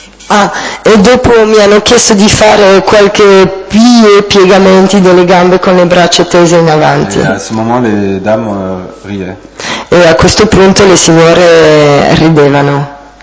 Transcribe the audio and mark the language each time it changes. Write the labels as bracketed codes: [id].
[it] Ah, e dopo mi hanno chiesto di fare qualche piegamenti delle gambe con le braccia tese in avanti. [fr] Et à ce moment, les dames riaient. [it] E a questo punto le signore ridevano.